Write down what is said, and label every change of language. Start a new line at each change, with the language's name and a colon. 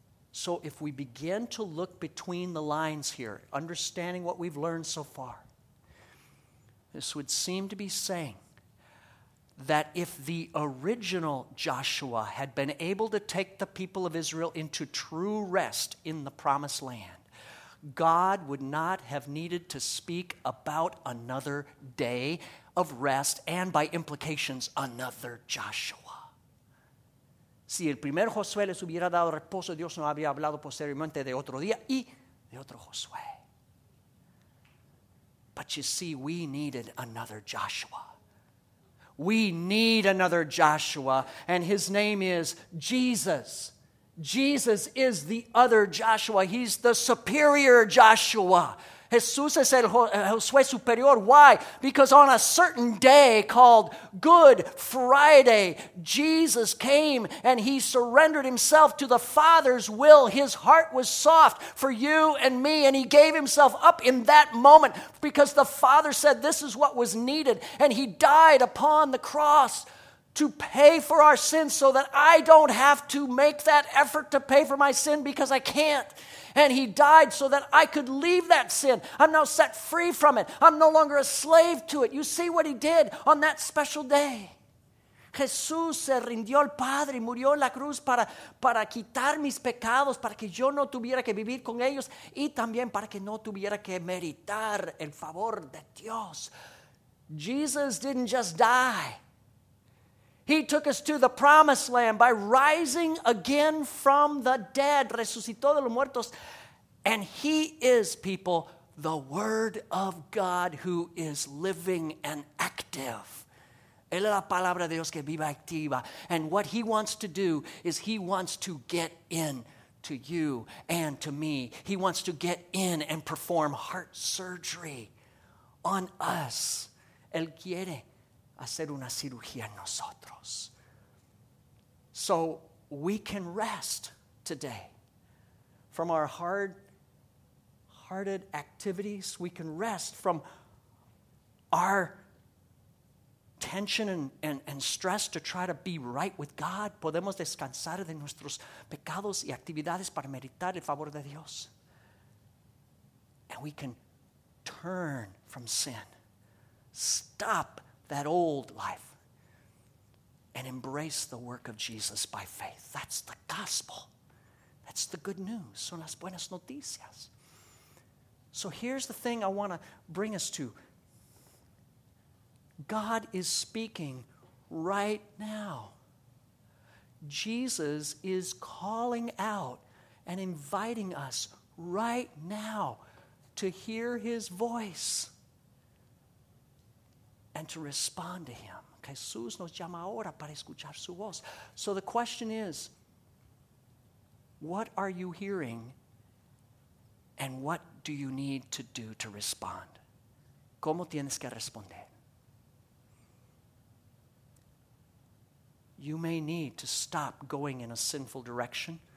English: So if we begin to look between the lines here, understanding what we've learned so far, this would seem to be saying that if the original Joshua had been able to take the people of Israel into true rest in the promised land, God would not have needed to speak about another day of rest and by implications, another Joshua.
Spanish: Si el primer Josué les hubiera dado reposo, Dios no habría hablado posteriormente de otro día y de otro Josué.
English: But you see, we needed another Joshua. We need another Joshua, and his name is Jesus. Jesus is the other Joshua. He's the superior Joshua.
Spanish: Jesús es el Josué superior.
English: Why? Because on a certain day called Good Friday, Jesus came and he surrendered himself to the Father's will. His heart was soft for you and me, and he gave himself up in that moment because the Father said this is what was needed, and he died upon the cross to pay for our sins so that I don't have to make that effort to pay for my sin because I can't. And he died so that I could leave that sin. I'm now set free from it. I'm no longer a slave to it. You see what he did on that special day.
Spanish: Jesús se rindió al Padre y murió en la cruz para quitar mis pecados, para que yo no tuviera que vivir con ellos y también para que no tuviera que meritar el favor de Dios.
English: Jesus didn't just die. He took us to the promised land by rising again from the dead.
Spanish: Resucitó de los muertos.
English: And he is, people, the Word of God who is living and active.
Spanish: Él es la palabra de Dios que vive activa.
English: And what he wants to do is he wants to get in to you and to me. He wants to get in and perform heart surgery on us.
Spanish: Él quiere hacer una cirugía en nosotros.
English: So we can rest today from our hard-hearted activities. We can rest from our tension and stress to try to be right with God.
Spanish: Podemos descansar de nuestros pecados y actividades para meritar el favor de Dios.
English: And we can turn from sin. Stop that old life, and embrace the work of Jesus by faith. That's the gospel. That's the good news.
Spanish: Son las buenas noticias.
English: So here's the thing I want to bring us to. God is speaking right now. Jesus is calling out and inviting us right now to hear his voice and to respond to him.
Spanish: Jesús nos llama ahora para escuchar su voz.
English: So the question is, what are you hearing and what do you need to do to respond?
Spanish: ¿Cómo tienes que responder?
English: You may need to stop going in a sinful direction.